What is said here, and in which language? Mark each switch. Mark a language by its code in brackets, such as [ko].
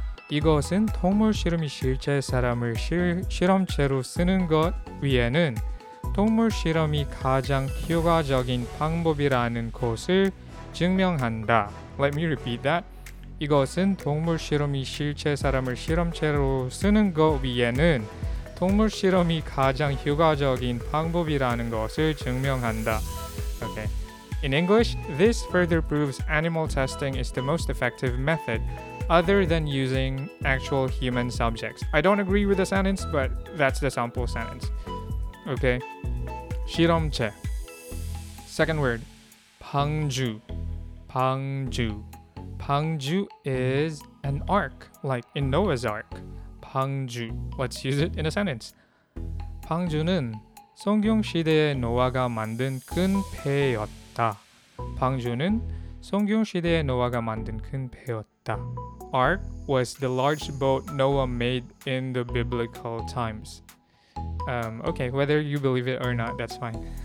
[ko] 이것은 동물 실험이 실제 사람을 실험체로 쓰는 것 위에는 동물 실험이 가장 효과적인 방법이라는 것을 증명한다. [en] Let me repeat that. [ko] 이것은 동물 실험이 실제 사람을 실험체로 쓰는 것 위에는 동물 실험이 가장 효과적인 방법이라는 것을 증명한다. [en] Okay. In English, this further proves animal testing is the most effective method other than using actual human subjects. I don't agree with the sentence, but that's the sample sentence. Okay. 실험체. Second word. 방주. 방주. 방주 is an ark, like in Noah's Ark. 방주. Let's use it in a sentence. [ko] 방주는 성경시대의 노아가 만든 큰 배였다. 방주는 성경시대의 노아가 만든 큰 배였다. [en] Ark was the large boat Noah made in the biblical times. Okay, whether you believe it or not, that's fine.